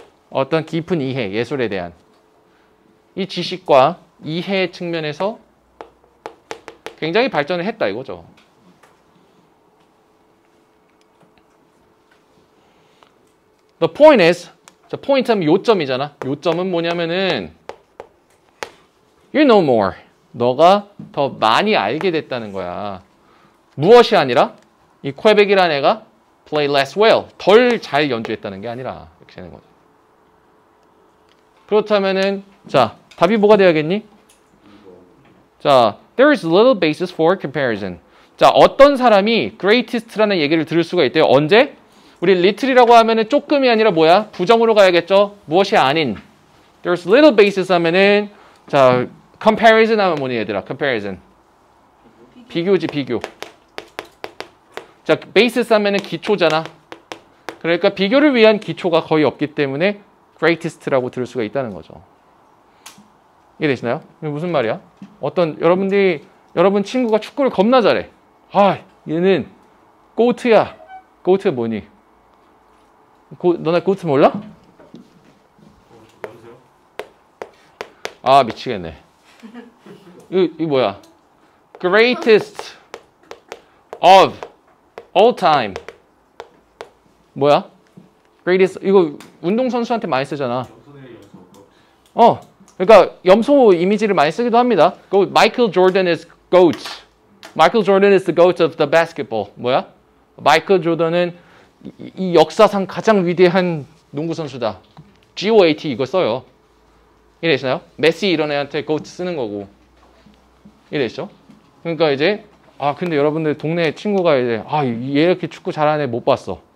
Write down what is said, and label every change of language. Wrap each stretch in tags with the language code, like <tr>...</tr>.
<ko>어떤 깊은 이해, 예술에 대한. 이 지식과 이해 측면에서 굉장히 발전을 했다 이거죠. 더 포인트 is 자, 포인트 하면 요점이잖아. 요점은 뭐냐면은</ko> <en>you know more.</en> <ko>너가 더 많이 알게 됐다는 거야. 무엇이 아니라 이 퀘벡이라는 애가</ko> <en>play less well.</en> <ko>덜 잘 연주했다는 게 아니라 이렇게 되는 거죠. 그렇다면은 자, 답이 뭐가 돼야겠니?</ko> <en>자, there is little basis for comparison.</en> <ko>자, 어떤 사람이 greatest라는 얘기를 들을 수가 있대요. 언제? 우리 little이라고 하면은 조금이 아니라 뭐야? 부정으로 가야겠죠? 무엇이 아닌.</ko> <en>There's little basis</en> <ko>하면은 자, comparison 하면 뭐니 얘들아? comparison. 비교지, 비교. 자, basis 하면은 기초잖아. 그러니까 비교를 위한 기초가 거의 없기 때문에 greatest라고 들을 수가 있다는 거죠. 이해되시나요? 이게 무슨 말이야? 어떤 여러분들이 여러분 친구가 축구를 겁나 잘해. 아, 얘는 고트야. 고트 뭐니? 너네 고트 몰라? 아, 미치겠네. 이 뭐야?</ko> <en>Greatest of all time.</en> <ko>뭐야? Greatest 이거 운동 선수한테 많이 쓰잖아. 어. 그러니까 염소 이미지를 많이 쓰기도 합니다.</ko> <en>GOAT. Michael Jordan is GOAT. Michael Jordan is the GOAT of the basketball.</en> <ko>뭐야? 마이클 조던은 이 역사상 가장 위대한 농구 선수다. GOAT 이거 써요. 이해되시나요? 메시 이런 애한테 GOAT 쓰는 거고. 이해되시죠? 그러니까 이제 아 근데 여러분들 동네 친구가 이제 아 얘 이렇게 축구 잘하는 애 못 봤어.</ko>